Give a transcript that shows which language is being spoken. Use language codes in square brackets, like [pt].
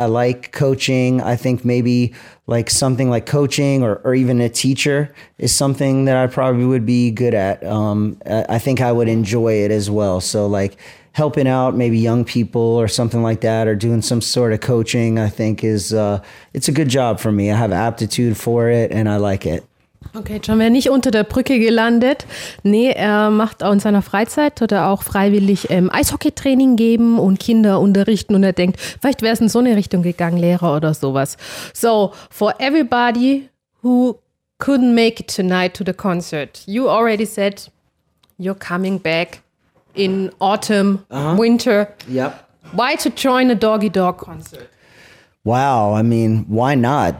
[en] I like coaching. I think maybe like something like coaching or even a teacher is something that I probably would be good at. I think I would enjoy it as well. So like helping out maybe young people or something like that, or doing some sort of coaching, I think is, it's a good job for me. I have aptitude for it and I like it. [de] Okay, John wäre nicht unter der Brücke gelandet. Nee, er macht auch in seiner Freizeit oder auch freiwillig Eishockeytraining geben und Kinder unterrichten. Und er denkt, vielleicht wäre es in so eine Richtung gegangen, Lehrer oder sowas. [en] So, for everybody who couldn't make it tonight to the concert, you already said you're coming back in autumn, winter. Yep. Why to join a Doggy Dog concert? Wow, I mean, why not?